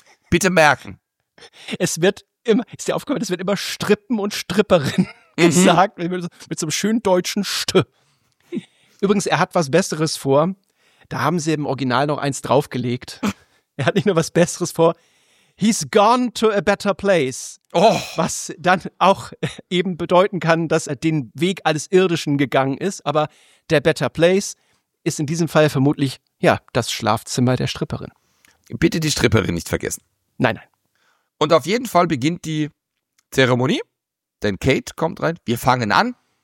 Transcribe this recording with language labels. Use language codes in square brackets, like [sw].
[de] Bitte merken. Es wird immer, ist dir aufgefallen, es wird immer Strippen und Stripperin. gesagt, mit so einem schönen deutschen St. Übrigens, er hat was Besseres vor. Da haben sie im Original noch eins draufgelegt. Er hat nicht nur was Besseres vor. [en] He's gone to a better place. Oh. [de] Was dann auch eben bedeuten kann, dass er den Weg alles Irdischen gegangen ist. Aber der [en] better place [de] ist in diesem Fall vermutlich, ja, das Schlafzimmer der Stripperin. Bitte die Stripperin nicht vergessen. Nein, nein. Und auf jeden Fall beginnt die Zeremonie, denn Kate kommt rein. Wir fangen an.